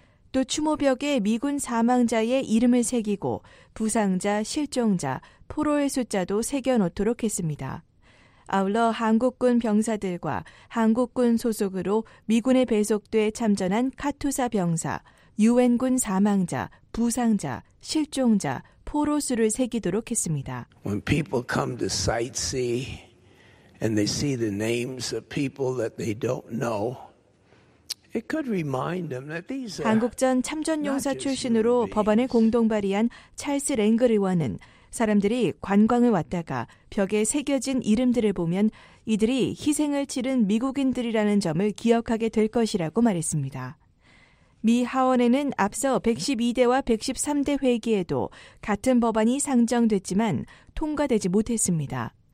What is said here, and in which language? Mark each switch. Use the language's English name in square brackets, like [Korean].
[Korean] 또 추모벽에 미군 사망자의 이름을 새기고 부상자, 실종자, 포로의 숫자도 새겨놓도록 했습니다. 아울러 한국군 병사들과 한국군 소속으로 미군에 배속돼 참전한 카투사 병사, 유엔군 사망자, 부상자, 실종자, 포로 수를 새기도록 했습니다. [English] When people come to sightsee and they see the names of people that they don't know, it could remind them that these are [Korean] 한국전 참전용사 출신으로 법안을 공동 발의한 찰스 랭글 의원은 사람들이 관광을 왔다가 벽에 새겨진 이름들을 보면 이들이 희생을 치른 미국인들이라는 점을 기억하게 될 것이라고 말했습니다. 미 하원에는 앞서 112대와 113대 회기에도 같은 법안이 상정됐지만 통과되지 못했습니다.